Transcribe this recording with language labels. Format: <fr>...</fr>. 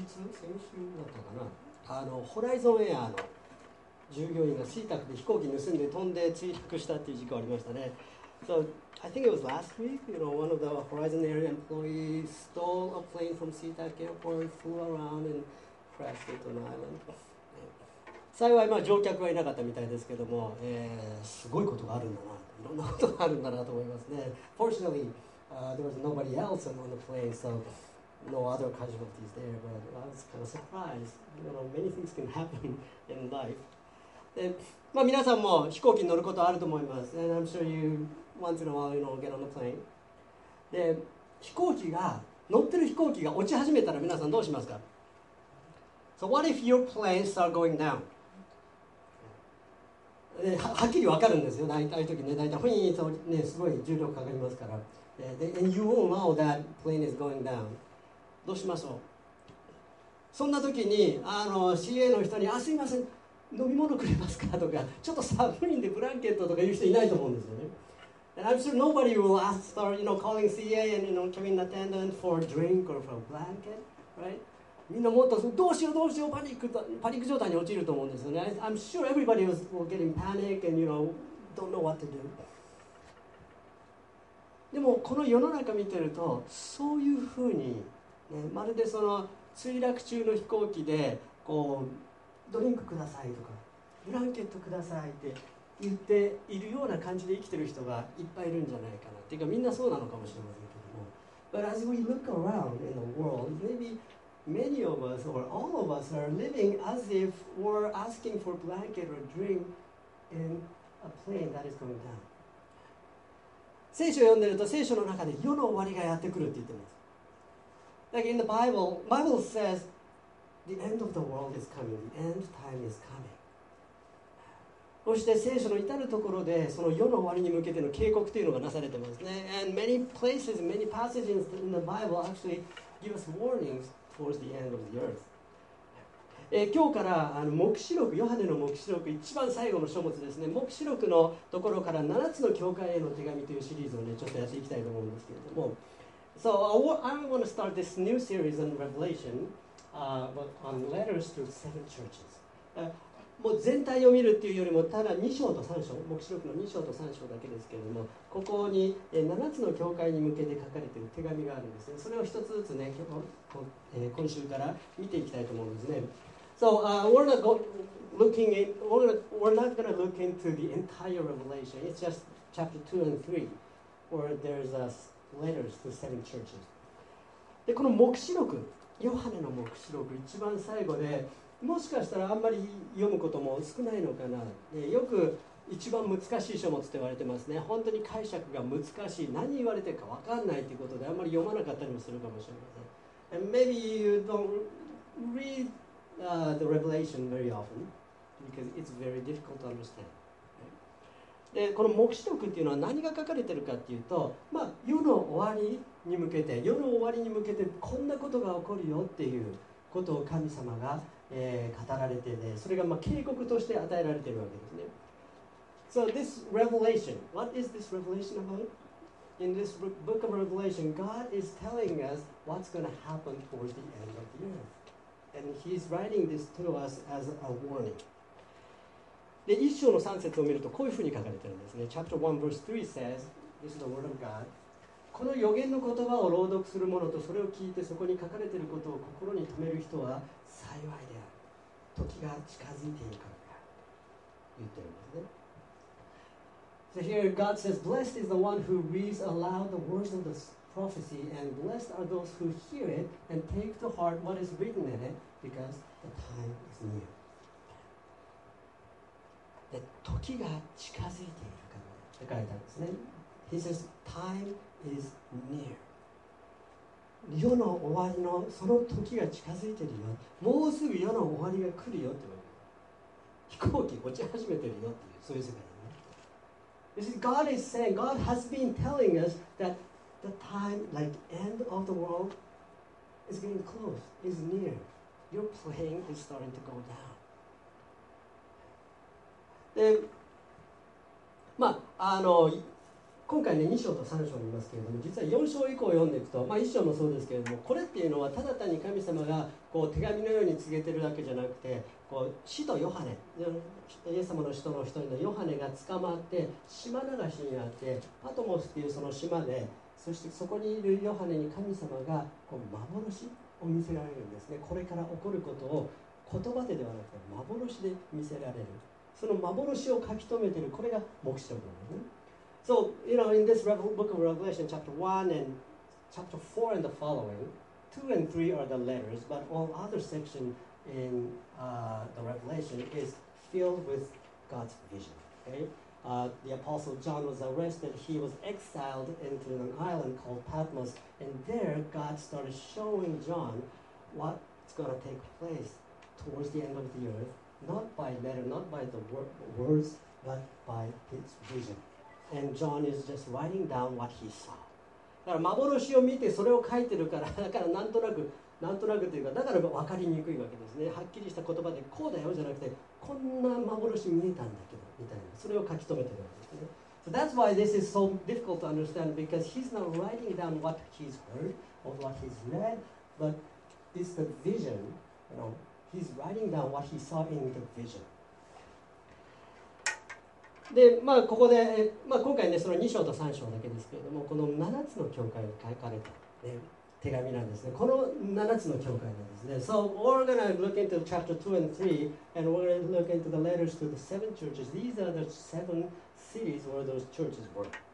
<ja>先週だったかな、あのホライゾンエアの従業員がシータックで飛行機盗んで飛んで墜落したっていう事故ありましたね。</ja> <en>So, I think it was last week, you know, one of the Horizon Air employees stole a plane from SeaTac Airport and flew around and crashed it on an island.</en> <ja>幸い、まあ、乗客はいなかったみたいですけども、すごいことがあるんだな、いろんなことがあるんだなと思いますね。</ja> <en>Fortunately, there was nobody else on the plane, so no other casualties there, but I was kind of surprised. You know, many things can happen in life.</en> <ja>でまあ、皆さんも飛行機に乗ることはあると思います。</ja> <en>And I'm sure you, once in a while, you know, get on the plane.</en> <ja>で、飛行機が、乗ってる飛行機が落ち始めたら皆さんどうしますか?</ja> <en>So what if your plane starts going down?</en> <ja>で、はっきり分かるんですよ。大体時ね、大体、ふいーっとね、すごい重力かかりますから。</ja> <en>で、And you won't know that plane is going down.</en> <ja>どうしましょう? そんな時に、あの、CA の人に、あ、すいません。飲み物くれますかとか、ちょっと寒いんでブランケットとか言う人いないと思うんですよね。</ja> <en>And I'm sure nobody will ask for, you know, calling CA and, you know, cabin attendant for a drink or for a blanket, right?</en> <ja>みんなもっとどうしようどうしようパニック状態に陥ると思うんですよね。</ja> <en>I'm sure everybody was getting panic and, you know, don't know what to do.</en> <ja>でもこの世の中見てると、そういうふうに、ね、まるでその墜落中の飛行機で、こう、ドリンクくださいとかブランケットくださいって言っているような感じで生きてる人がいっぱいいるんじゃないかな。っていうかみんなそうなのかもしれませんけども。</ja> <en>But as we look around in the world, maybe many of us or all of us are living as if we're asking for a blanket or a drink in a plane that is going down.</en> <ja>聖書を読んでると聖書の中で世の終わりがやってくるって言ってます。</ja> <en>Like in the Bible, Bible says,The end of the world is coming. The end time is coming.</en> <ja>そして聖書の至るところでその世の終わりに向けての警告というのがなされてますね。</ja> <en>And many places, many passages in the Bible actually give us warnings towards the end of the earth.</en> <ja>今日からあの黙示録、ヨハネの黙示録、一番最後の書物ですね。黙示録のところから七つの教会への手紙というシリーズをね、ちょっとやっていきたいと思うんですけれども。</ja> <en>So I want to start this new series on Revelation. On letters to seven churches.</en> <ja>もう全体を見るっていうよりもただ2章と3章、黙示録の2章と3章だけですけれども、ここに7つの教会に向けて書かれている手紙があるんですね。それを一つずつね、今週から見ていきたいと思うんですね。</ja> <en>So we're not going to look into the entire revelation. It's just chapter 2 and 3 where there's a letters to seven churches.</en> <ja>で、この黙示録、ヨハネの黙示録、一番最後で、もしかしたらあんまり読むことも少ないのかな。よく一番難しい書物って言われてますね。本当に解釈が難しい、何言われてるか分かんないということであんまり読まなかったりもするかもしれません。</ja> <en>And maybe you don't read, the Revelation very often because it's very difficult to understand.</en> <ja>でこの黙示録っていうのは何が書かれてるかっていうと、まあ、世の終わりに向けて、世の終わりに向けてこんなことが起こるよっていうことを神様が、語られてね、それがまあ警告として与えられてるわけですね。</ja> <en>So this revelation, what is this revelation about? In this book of Revelation, God is telling us what's going to happen towards the end of the earth. And he's writing this to us as a warning.</en> <ja>で1章の3節を見るとこういうふうに書かれてるんですね。</ja> <en>Chapter 1 verse 3 says This is the word of God.</en> <ja>この予言の言葉を朗読する者とそれを聞いてそこに書かれていることを心に留める人は幸いである。時が近づいているからだ、言ってるんですね。</ja> <en>So here God says Blessed is the one who reads aloud the words of the prophecy and blessed are those who hear it and take to heart what is written in it because the time is near.</en> <ja>で時が近づいているかもって書いてあるんですね。</ja> <en>He says, time is near.</en> <ja>世の終わりのその時が近づいているよ。もうすぐ世の終わりが来るよって言われる。飛行機落ち始めてるよっていう、そういう世界だね。</ja> <en>You see, God is saying, God has been telling us that the time, like end of the world, is getting close, is near. Your plane is starting to go down.</en> <ja>で、まあ、あの今回ね、2章と3章を見ますけれども、実は4章以降を読んでいくと、まあ、1章もそうですけれども、これっていうのはただ単に神様がこう手紙のように告げてるだけじゃなくて、こう使徒ヨハネ、イエス様の使徒の一人のヨハネが捕まって島流しにあって、パトモスっていうその島で、そしてそこにいるヨハネに神様がこう幻を見せられるんですね。これから起こることを言葉でではなくて幻で見せられる。その幻を書き留めている、これが黙示録なんですね。</ja> <en>So, you know, in this book of Revelation, chapter 1 and chapter 4 and the following, 2 and 3 are the letters, but all other section in the Revelation is filled with God's vision. Okay? The Apostle John was arrested. He was exiled into an island called Patmos. And there, God started showing John what's going to take place towards the end of the earth, not by letter, not by the words, but by his vision. And John is just writing down what he saw.</en> <ja>だから幻を見てそれを書いてるから、だからなんとなくというか、だから分かりにくいわけですね。はっきりした言葉でこうだよじゃなくて、こんな幻見えたんだけどみたいな、それを書き留めてるわけですね。</ja> <en>So that's why this is so difficult to understand, because he's not writing down what he's heard or what he's read, but it's the vision. You know, he's writing down what he saw in the vision.</en> <ja>でまあ、ここで、まあ、今回、ね、その2章と3章だけですけれども、この7つの教会に書かれた、ね、手紙なんですね。この7つの教会なんですね。</ja> <en>So we're going to look into chapter 2 and 3 and we're going to look into the letters to the seven churches. These are the seven cities where those churches were.</en>